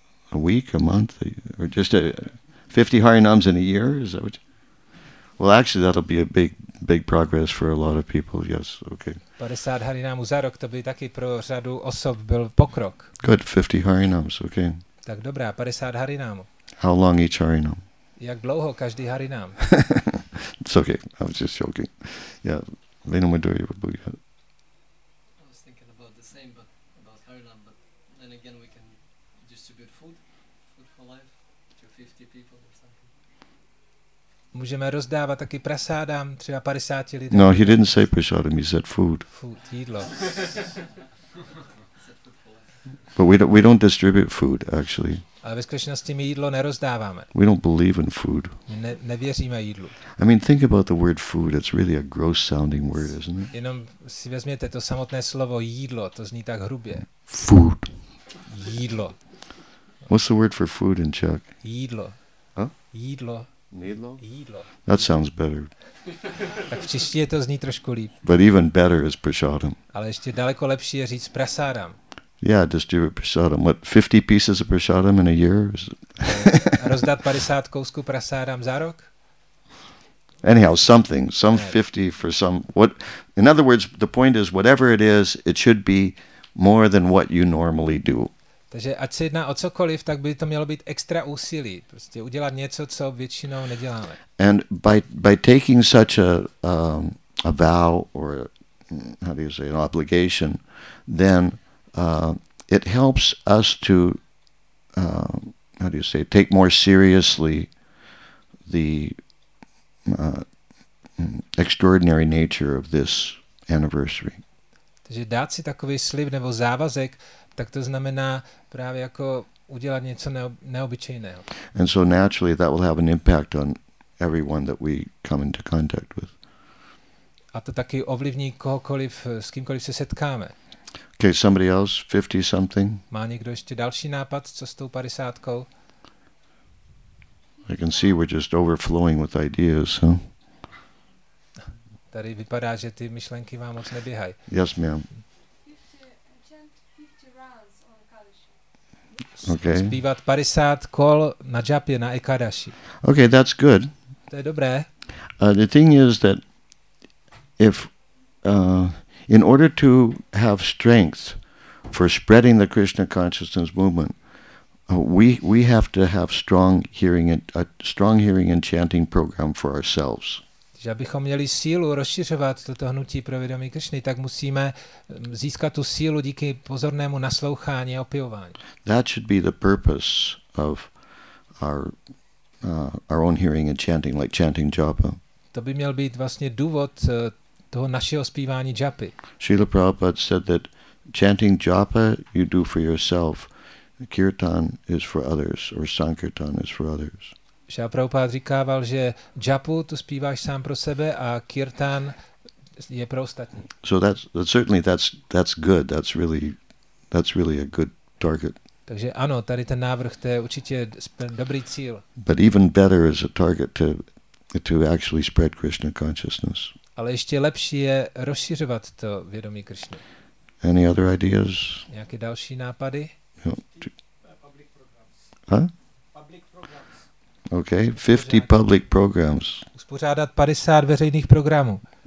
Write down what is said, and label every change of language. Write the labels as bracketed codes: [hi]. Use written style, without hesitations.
[en] A week, a month, or just 50 harinams in a year? Is that what? Well, actually, that'll be a big progress for a lot of people. Yes. Okay. [cs] 50 harinamů za rok, to by taky pro řadu osob byl pokrok. [en] Good. 50 harinams. Okay. [cs] Tak dobrá, 50 harinám. [en] How long each harinám? [cs] Jak dlouho každý harinám? [en] It's okay, I was just joking. Yeah, Venu Madhuri, what about you? I was thinking about the same, but about harinám, but then again we can distribute food for life to 50 people or something. [cs] Můžeme rozdávat taky prasádám, třeba 50 lidem. [en] No, he didn't say prasádám, he said food. Food, [cs] jídlo. [en] But we don't distribute food actually. [cs] Ale ve skutečnosti my jídlo nerozdáváme. [en] We don't believe in food. [cs] Nevěříme jídlu. [en] I mean, think about the word food. It's really a gross sounding word, isn't it? [cs] Jenom si vezměte to samotné slovo jídlo, to zní tak hrubě. [en] Food. [cs] Jídlo. [en] What's the word for food in Czech? [cs] Jídlo. [en] Huh? [cs] Jídlo. Nídlo? Jídlo. [en] That sounds better. [cs] Tak v češtině to zní trošku líp. [en] But even better is prasádam. [cs] Ale ještě daleko lepší je říct prasádam. [en] Yeah, distribute prasadam. What, 50 pieces of prasadam in a year? [cs] Rozdat 50 kousků prasadam za rok? [en] Anyhow, something. Some 50 for some... What? In other words, the point is, whatever it is, it should be more than what you normally do. [cs] Takže ať se jedná o cokoliv, tak by to mělo být extra úsilí, prostě udělat něco, co většinou neděláme. [en] And by taking such a vow or how do you say an obligation, then it helps us to how do you say take more seriously the extraordinary nature of this anniversary. [cs] Takže dát si takový slib nebo závazek, tak to znamená právě jako udělat něco neobyčejného. [en] And so naturally that will have an impact on everyone that we come into contact with. [cs] A to taky ovlivní kohokoliv, s kýmkoliv se setkáme. [en] Okay, somebody else, 50 something? [cs] Má někdo ještě další nápad, co s tou padesátkou? [en] I can see we're just overflowing with ideas, huh? [cs] Tady vypadá, že ty myšlenky vám moc neběhají. [en] Yes, ma'am. Okay. [cs] Zpívat 50 kol na džapě, na Ekadaši. [en] Okay, that's good. [cs] To je dobré. [en] The thing is that if in order to have strength for spreading the Krishna consciousness movement, we have to have strong hearing and chanting program for ourselves. [cs] Že abychom měli sílu rozšiřovat toto hnutí pro vědomí Kršny, tak musíme získat tu sílu díky pozornému naslouchání a opěvování. [en] That should be the purpose of our own hearing and chanting, like chanting japa. [cs] To by měl být vlastně důvod toho našeho zpívání japy. [en] Srila Prabhupada said that chanting japa you do for yourself, kirtan is for others, or sankirtan is for others. [cs] Šáv Prabhupád říkával, že džapu tu zpíváš sám pro sebe a kirtan je pro ostatní. [en] So that's good. That's really a good target. [cs] Takže ano, tady ten návrh, to je určitě dobrý cíl. [en] But even better is a target to actually spread Krishna consciousness. [cs] Ale ještě lepší je rozšiřovat to vědomí Krishna. [en] Any other ideas? [cs] Nějaké další nápady? [en] No. Okay, 50 public programs. [cs] Uspořádat 50 veřejných programů.